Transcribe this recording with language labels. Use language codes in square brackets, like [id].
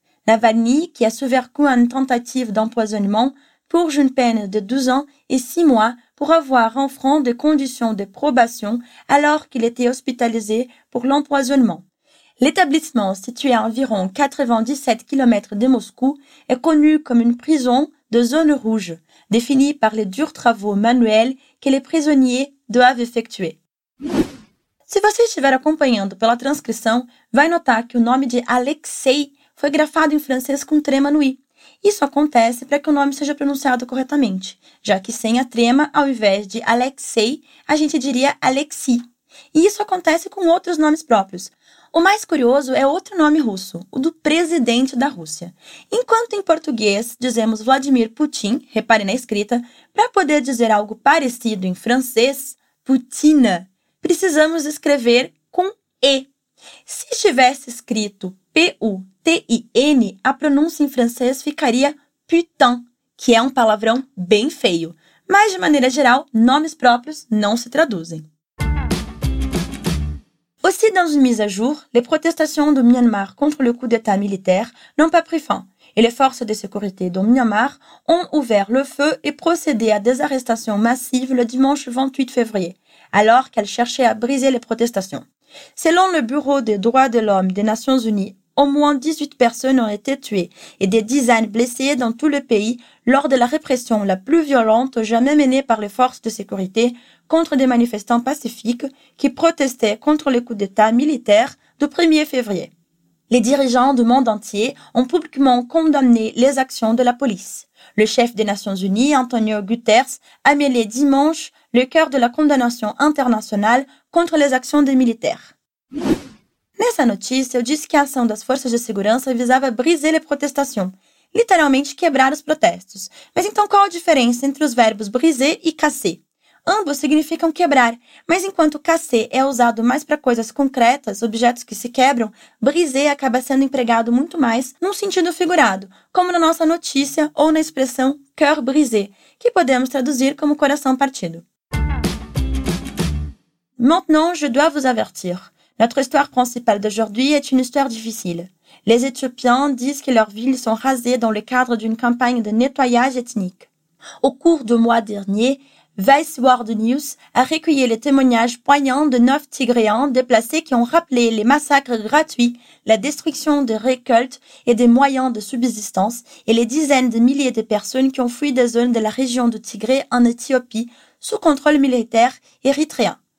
[fr] Navalny, qui a souffert une tentative d'empoisonnement, purge une peine de 12 ans et 6 mois pour avoir enfreint des conditions de probation alors qu'il était hospitalisé pour l'empoisonnement. L'établissement, situé à environ 97 km de Moscou, est connu comme une prison de zone rouge, définie par les durs travaux manuels que les prisonniers doivent effectuer. [pt] Si vous estiver acompanhando pela transcrição, vai notar que o nome de Alexei foi grafado em francês com trema no i. Isso acontece para que o nome seja pronunciado corretamente, já que sem a trema, ao invés de Alexei, a gente diria Alexi. E isso acontece com outros nomes próprios. O mais curioso é outro nome russo, o do presidente da Rússia. Enquanto em português dizemos Vladimir Putin, repare na escrita, para poder dizer algo parecido em francês, Putina, precisamos escrever com E. Se estivesse escrito P-U-T-I-N, a pronúncia em francês ficaria putain, que é um palavrão bem feio. Mas, de maneira geral, nomes próprios não se traduzem. [fr] Aussi dans une mise à jour, les protestations du Myanmar contre le coup d'état militaire n'ont pas pris fin et les forces de sécurité du Myanmar ont ouvert le feu et procédé à des arrestations massives le dimanche 28 février, alors qu'elles cherchaient à briser les protestations. Selon le Bureau des droits de l'homme des Nations Unies, au moins 18 personnes ont été tuées et des dizaines blessées dans tout le pays lors de la répression la plus violente jamais menée par les forces de sécurité contre des manifestants pacifiques qui protestaient contre le coup d'état militaire du 1er février. Les dirigeants du monde entier ont publiquement condamné les actions de la police. Le chef des Nations Unies, Antonio Guterres, a mêlé dimanche le cœur de la condamnation internationale contre les actions des militaires. [pt] Nessa notícia, eu disse que a ação das forças de segurança visava [fr] briser les protestations, [pt] literalmente quebrar os protestos. Mas então qual a diferença entre os verbos briser e casser? Ambos significam quebrar, mas enquanto casser é usado mais para coisas concretas, objetos que se quebram, briser acaba sendo empregado muito mais num sentido figurado, como na nossa notícia ou na expressão [fr] cœur brisé, [pt] que podemos traduzir como coração partido. [fr] Maintenant, je dois vous avertir. Notre histoire principale d'aujourd'hui est une histoire difficile. Les Éthiopiens disent que leurs villes sont rasées dans le cadre d'une campagne de nettoyage ethnique. Au cours du mois dernier, Vice World News a recueilli les témoignages poignants de 9 Tigréens déplacés qui ont rappelé les massacres gratuits, la destruction des récoltes et des moyens de subsistance et les dizaines de milliers de personnes qui ont fui des zones de la région du Tigré en Éthiopie sous contrôle militaire érythréen.